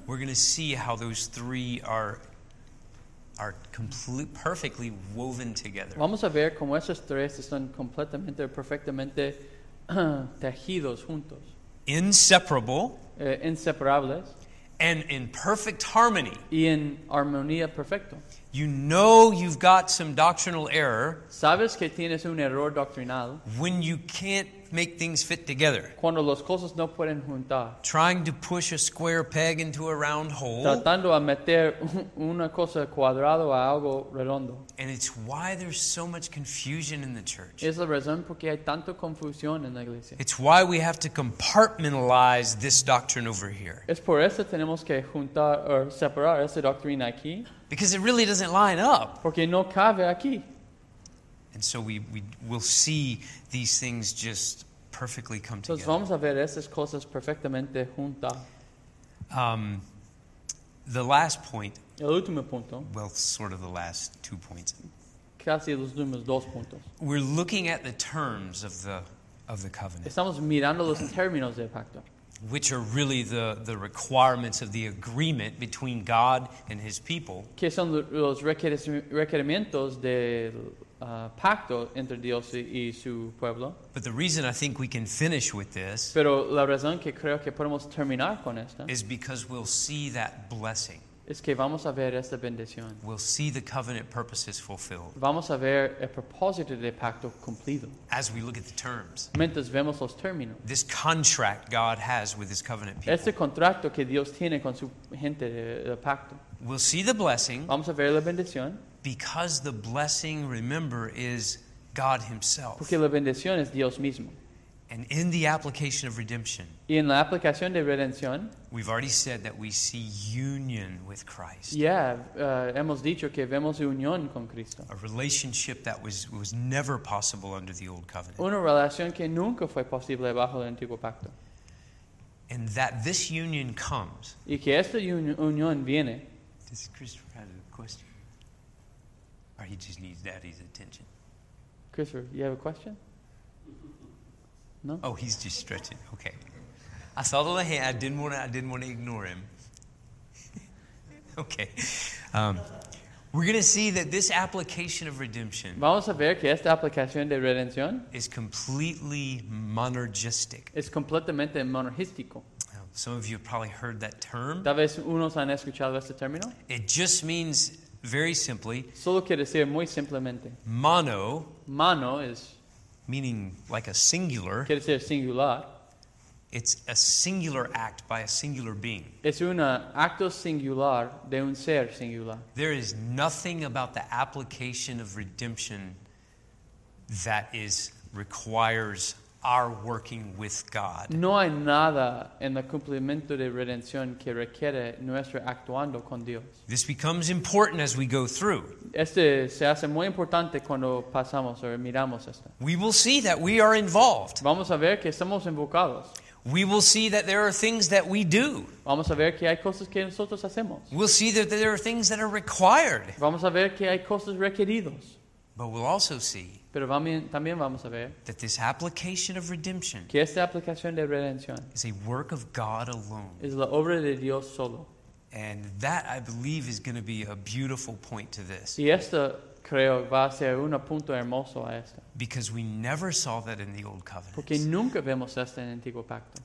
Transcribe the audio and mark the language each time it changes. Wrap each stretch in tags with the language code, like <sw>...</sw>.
<en>We're going to see how those three are completely perfectly woven together.</en> <es>Vamos a ver cómo esos tres están completamente perfectamente tejidos juntos.</es> <en>Inseparable.</en> <es>Inseparables.</es> <en>And in perfect harmony.</en> <es>Y en armonía perfecto.</es> <en>You know you've got some doctrinal error.</en> <es>Sabes que tienes un error doctrinal.</es> <en>When you can't make things fit together.</en> <es>Cuando las cosas no pueden juntar.</es> <en>Trying to push a square peg into a round hole.</en> <es>Tratando a meter una cosa cuadrado a algo redondo.</es> <en>And it's why there's so much confusion in the church.</en> <es>Es la razón porque hay tanto confusión en la iglesia.</es> <en>It's why we have to compartmentalize this doctrine over here.</en> <es>Es por eso tenemos que juntar o separar esa doctrina aquí.</es> <en>Because it really doesn't line up.</en> <es>Porque no cabe aquí.</es> <en>And so we will see these things just perfectly come</en> <es>entonces Vamos a ver esas cosas perfectamente juntas.</es> <en>The last point.</en> <es>El último punto.</es> <en>Well, sort of the last 2 points.</en> <es>Casi los últimos dos puntos.</es> <en>We're looking at the terms of the covenant.</en> <es>Estamos mirando los términos del pacto.</es> <en>Which are really the requirements of the agreement between God and His people.</en> <es>Que son los requerimientos del pacto entre Dios y su pueblo.</es> <en>But the reason I think we can finish with this.</en> <es>Pero la razón que creo que podemos terminar con esta.</es> <en>Is because we'll see that blessing.</en> <es>Es que vamos a ver esta bendición.</es> <en>We'll see the covenant purposes fulfilled.</en> <es>Vamos a ver el propósito del pacto cumplido.</es> <en>As we look at the terms.</en> <es>Mientras vemos los términos.</es> <en>This contract God has with His covenant people.</en> <es>Este contrato que Dios tiene con su gente de pacto.</es> <en>We'll see the blessing.</en> <es>Vamos a ver la bendición.</es> <en>Because the blessing, remember, is God Himself.</en> <es>Porque la bendición es Dios mismo.</es> <en>And in the application of redemption,</en> <es>y en la aplicación de redención,</es> <en>we've already said that we see union with Christ.</en> <es>Yeah, hemos dicho que vemos unión con Cristo.</es> <en>A relationship that was never possible under the old covenant.</en> <es>Una relación que nunca fue posible bajo el antiguo pacto.</es> <en>And that this union comes.</en> <es>Y que esta unión viene.</es> <en>Does Christopher have a question? Or he just needs daddy's attention? Christopher, you have a question? No? Oh, he's just stretching. Okay. I saw the little hand. I didn't want to ignore him. Okay. We're going to see that this application of redemption.</en> <es>Vamos a ver que esta aplicación de redención</es> <en>is completely monergistic.</en> <es>Es completamente monergístico.</es> <en>Some of you have probably heard that term.</en> <es>Tal vez unos han escuchado este término.</es> <en>It just means very simply.</en> <es>Solo quiere decir muy simplemente.</es> <en>Mono. Mano is meaning like a singular.</en> <es>Quiere decir singular.</es> <en>It's a singular act by a singular being.</en> <es>Es un acto singular de un ser singular.</es> <en>There is nothing about the application of redemption that requires our working with God.</en> <es>No hay nada en el cumplimiento de redención que requiere nuestro actuando con Dios.</es> <en>This becomes important as we go through.</en> <es>Este se hace muy importante cuando pasamos o miramos esto.</es> <en>We will see that we are involved.</en> <es>Vamos a ver que estamos involucrados.</es> <en>We will see that there are things that we do.</en> <es>Vamos a ver que hay cosas que nosotros hacemos.</es> <en>We'll see that there are things that are required.</en> <es>Vamos a ver que hay cosas requeridos.</es> <en>But we'll also see.</en> <es>Pero también vamos a ver</es> <en>that this application of redemption,</en> <es>que esta aplicación de redención,</es> <en>is a work of God alone.</en> <es>Es la obra de Dios solo.</es> <en>And that, I believe, is going to be a beautiful point to this.</en> <es>Y esto creo va a ser un punto hermoso a esto.</es> <en>Because we never saw that in the old covenant.</en> <es>Porque nunca vemos esto en el antiguo pacto.</es>